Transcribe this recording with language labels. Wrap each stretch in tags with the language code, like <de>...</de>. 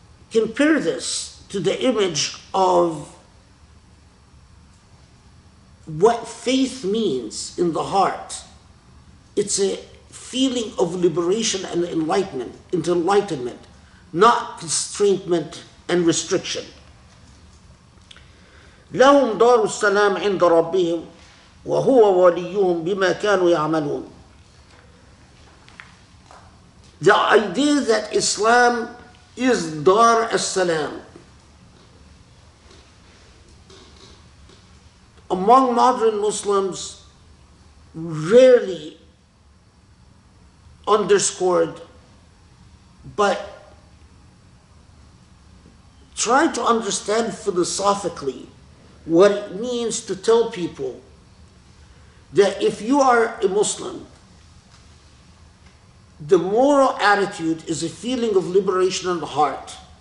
<en>Compare this to the image of what faith means in the heart. It's a feeling of liberation and enlightenment, into enlightenment, not constraintment and restriction.</en> <ar>لهم دار السلام عند ربهم وهو وليهم بما كانوا يعملون.</ar> <en>The idea that Islam is dar as-salam. Among modern Muslims, rarely underscored, but try to understand philosophically what it means to tell people that if you are a Muslim, the moral attitude is a feeling of liberation in the heart.</en>